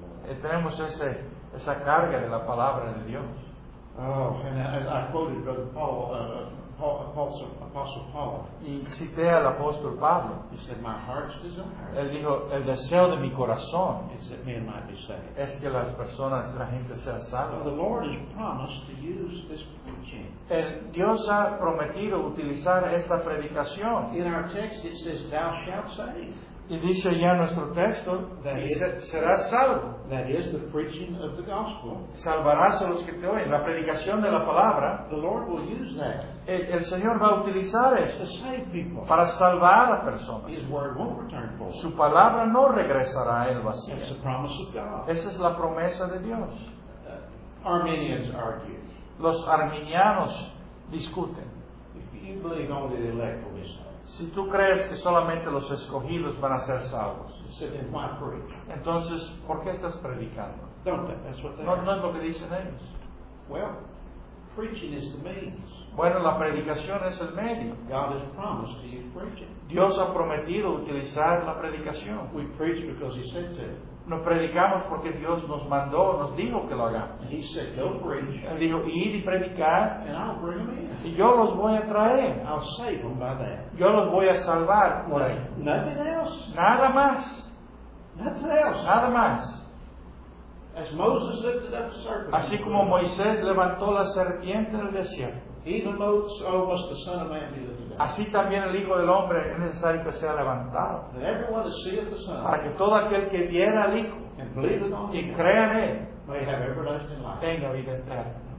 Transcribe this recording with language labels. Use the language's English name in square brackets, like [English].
[Spanish] Y tenemos esa carga de la palabra de Dios. [English] Oh, and I quoted Brother Paul, Apostle Paul. [Spanish] Y cité al apóstol Pablo. [English] He said, "My heart's desire." [Spanish] Él dijo, el deseo de mi corazón. [English] Is that men might be saved. [Spanish] Es que las personas, la gente sea salva. [English] Well, the Lord has promised to use this preaching. [Spanish] El Dios ha prometido utilizar esta predicación. [English] In our text, it says, "Thou shalt save." [Spanish] Y dice ya nuestro texto, serás salvo. [English] That is the preaching of the gospel. [Spanish] Salvarás a los que te oyen. La predicación de la palabra. [English] The Lord will use that. [Spanish] El Señor va a utilizar esto [English] to save people. [Spanish] Para salvar a personas. [English] His word won't return full. [Spanish] Su palabra no regresará a él vacío. [English] It's the promise of God. [Spanish] Esa es la promesa de Dios. [English] Arminians argue. [Spanish] Los arminianos discuten. [English] If you believe only the elect will be saved. [Spanish] Si tú crees que solamente los escogidos van a ser salvos, entonces, ¿por qué estás predicando? No es lo que dicen ellos. [English] Well, preaching is the means. [Spanish] Bueno, la predicación es el medio. [English] God has promised to use preaching. [Spanish] Dios ha prometido utilizar la predicación. [English] We preach because he said to. [Spanish] Nos predicamos porque Dios nos mandó, nos dijo que lo hagamos. [English] He said, "Go preach." [Spanish] Él dijo, ir y predicar. [English] And I'll bring them in. [Spanish] Y yo los voy a traer. [English] I'll save them by that. [Spanish] Yo los voy a salvar por ahí. [English] Nothing else. [Spanish] Nada más. [English] Nothing else. [Spanish] Nada más. [English] As Moses lifted up the serpent. [Spanish] Así como Moisés levantó la serpiente en el desierto. [English] So must the Son of Man be lifted. [Spanish] Así también el Hijo del Hombre es necesario que sea levantado. Para que todo aquel que viera al Hijo y crea en Él tenga vida eterna.